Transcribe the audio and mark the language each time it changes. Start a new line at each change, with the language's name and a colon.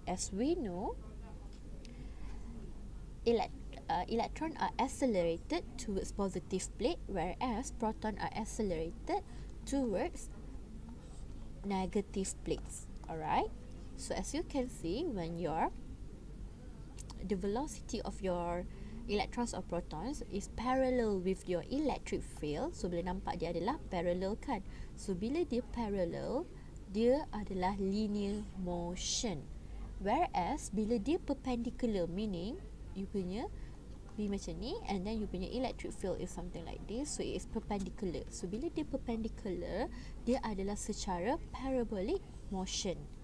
English: As we know, electrons are accelerated towards positive plate, whereas proton are accelerated towards negative plates. Alright? So as you can see, when the velocity of your electrons or protons is parallel with your electric field.
Malay: So boleh nampak dia adalah parallel kan? So bila dia parallel, dia adalah linear motion.
English: Whereas
Malay: bila dia
English: perpendicular, meaning you
Malay: punya be macam ni,
English: and then you punya electric field is something like this. So it is perpendicular. So
Malay: bila dia
English: perpendicular,
Malay: dia adalah secara
English: parabolic motion.